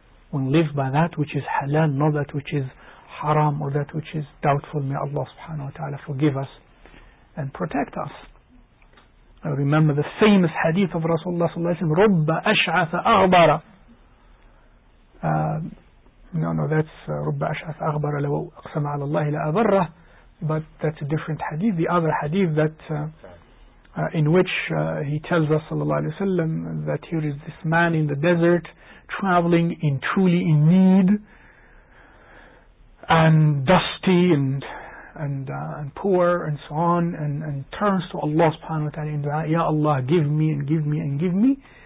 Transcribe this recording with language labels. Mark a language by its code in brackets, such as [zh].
[en] One lives by that which is halal, not that which is haram or that which is doubtful. May Allah subhanahu wa ta'ala forgive us and protect us. I remember the famous hadith of Rasulullah sallallahu alayhi wa sallam, [ar] رُبَّ أَشْعَثَ أَغْبَرَ. [en] That's [ar] رُبَّ أَشْعَثَ أَغْبَرَ لَوَوْ أَقْسَمَ عَلَى اللَّهِ لَأَبَرَّهِ. [en] But that's a different hadith. The other hadith that in which he tells us, sallallahu alayhi wa sallam, that here is this man in the desert, traveling in truly in need, and dusty and poor and so on, and turns to Allah subhanahu wa ta'ala in dua, Ya Allah, give me and give me and give me.